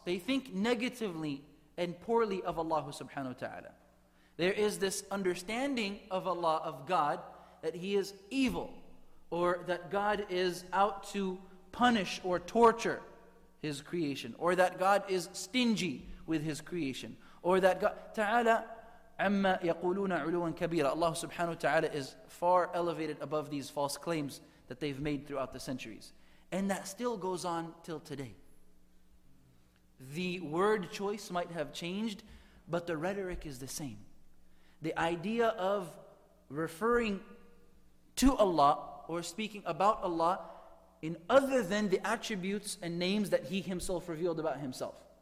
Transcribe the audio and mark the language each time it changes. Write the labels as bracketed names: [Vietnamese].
[English] They think negatively and poorly of Allah subhanahu wa ta'ala. There is this understanding of Allah, of God, that He is evil, or that God is out to punish or torture His creation, or that God is stingy with His creation, or that God... [Arabic] Ta'ala, عَمَّا يَقُولُونَ عُلُوًا كَبِيرًا. [English] Allah subhanahu wa ta'ala is far elevated above these false claims that they've made throughout the centuries. And that still goes on till today. The word choice might have changed, but the rhetoric is the same. The idea of referring to Allah or speaking about Allah in other than the attributes and names that He Himself revealed about Himself.